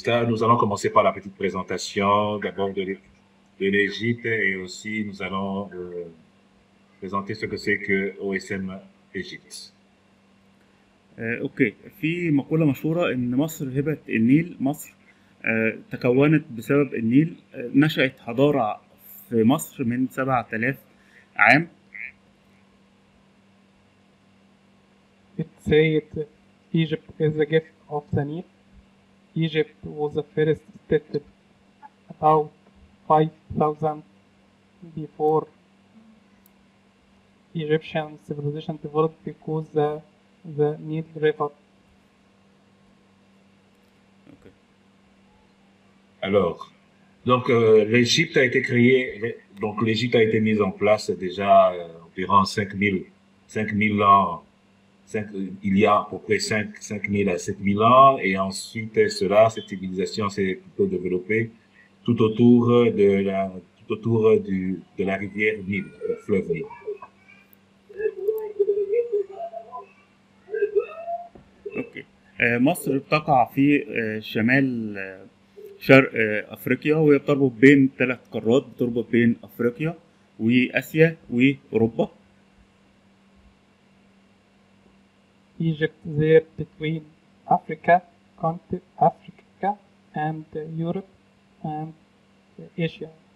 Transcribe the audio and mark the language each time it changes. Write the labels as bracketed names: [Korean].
[French] nous allons commencer par la petite présentation, d'abord de l'Égypte, et aussi nous allons présenter ce que c'est que OSM Égypte. OK. [Arabic] في مقولة مشهورة إن مصر هبت النيل. مصر تكونت بسبب النيل. نشأت حضارة في مصر من 7000 عام. [English] It said Egypt is a gift of the Nile. Egypt was the first state about 5000 before Egyptian civilization developed because the Nile River. Okay. [French] Alors, donc l'Égypte a été créée. Donc l'Égypte a été mise en place déjà environ 5000 ans, il y a à peu près 5000 à 7000 ans, et ensuite cela, cette civilisation s'est plutôt développée tout autour de la de la rivière Nil, le fleuve Nil. OK. [Arabic] مصر بتقع في شمال شرق افريقيا، وهي بتربط بين ثلاث قارات، بتربط بين افريقيا واسيا واوروبا. [English] Egypt there between Africa, continent Africa and Europe and Asia.